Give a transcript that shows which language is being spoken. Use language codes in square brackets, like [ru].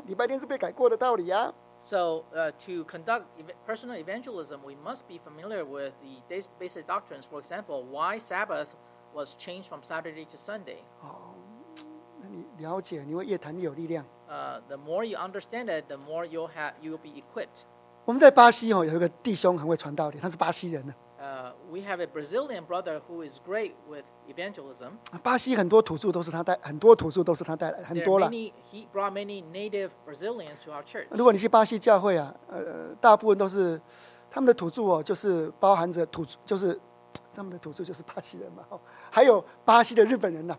[zh] 礼拜天是被改过的道理啊。 [en] So, to conduct personal evangelism, we must be familiar with the basic doctrines. For example, why Sabbath was changed from Saturday to Sunday. [zh] 那你了解，你会越谈越有力量。 [en] The more you understand it, the more you'll be equipped. [zh] 我们在巴西哦，有一个弟兄很会传道的，他是巴西人呢。 [en] We have a Brazilian brother who is great with evangelism. [zh] 巴西很多土著都是他带，很多土著都是他带来，很多了。 [en] He brought many native Brazilians to our church. [zh] 如果你去巴西教会啊，大部分都是他们的土著哦，就是包含着土著，就是他们的土著就是巴西人嘛，还有巴西的日本人呢、啊。